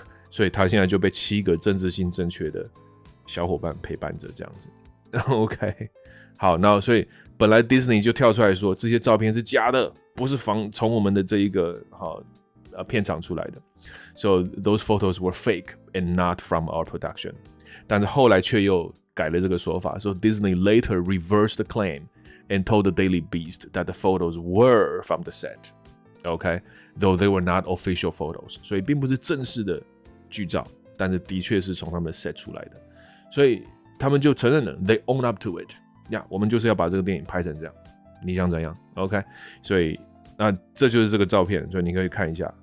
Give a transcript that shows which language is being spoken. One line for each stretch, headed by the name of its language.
Chinese: 所以他现在就被七个政治性正确的小伙伴陪伴着这样子。 OK， 好，那所以本来 Disney 就跳出来说这些照片是假的，不是从我们的这一个片场出来的。
English: So those photos were fake and not from our production。
Chinese: 但是后来却又改了这个说法，说
English: Disney later reversed the claim and told the Daily Beast that the photos were from the set. Okay, though they were not official photos.
Chinese: 所以并不是正式的剧照，但是的确是从他们 set 出来的。所以他们就承认了 ，
English: they own up to it.
Chinese: 呀，我们就是要把这个电影拍成这样，你想怎样 ？Okay, 所以那这就是这个照片，所以你可以看一下。